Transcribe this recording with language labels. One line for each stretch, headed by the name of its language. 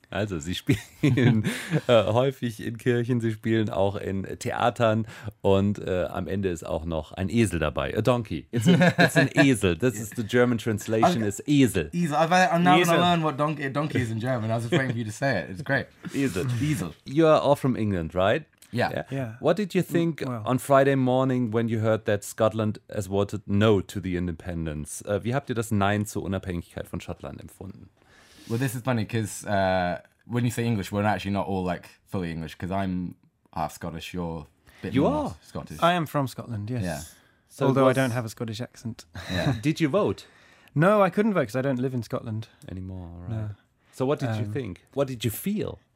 German: Also sie spielen häufig in Kirchen, sie spielen auch in Theatern und am Ende ist auch noch ein Esel dabei.
English: A donkey. It's an Esel. This is the German translation, is Esel.
German: Esel.
English: I'm now going to learn what donkey is in German. I was afraid for you to say it. It's great.
German: Esel. Esel.
English: You are all from England, right? Yeah. What did you think on Friday morning when you heard that Scotland has voted no to the independence?
German: Wie habt ihr das Nein zur Unabhängigkeit von Schottland empfunden?
English: Well, this is funny because when you say English, we're actually not all like fully English because I'm half Scottish. You're a bit more Scottish. I am from Scotland, yes. Yeah. So although I don't have a Scottish accent. Yeah. Did you vote? No, I couldn't vote because I don't live in Scotland anymore. Right. No. So what did you think? What did you feel?